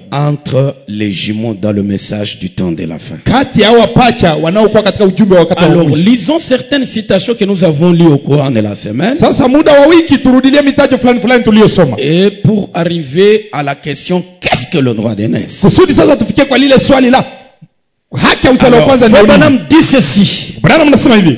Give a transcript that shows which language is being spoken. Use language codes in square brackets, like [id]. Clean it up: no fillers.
[fr] Entre les jumeaux dans le message du temps de la fin. [sw] Kati ya wapacha wanaokuwa katika ujumbe wa wakati. [fr] Alors, lisons certaines citations que nous avons lues au courant de la semaine. [sw] Sasa muda wa wiki turudilie mitajo fulani fulani tuliyosoma. [fr] Et pour arriver à la question, qu'est-ce que le droit d'aînesse? [sw] Kusudi sasa tufikie kwa lile swali la haki ya uzalo kwanza ni [fr] Branham dit ceci. [sw] Branham anasema hivi.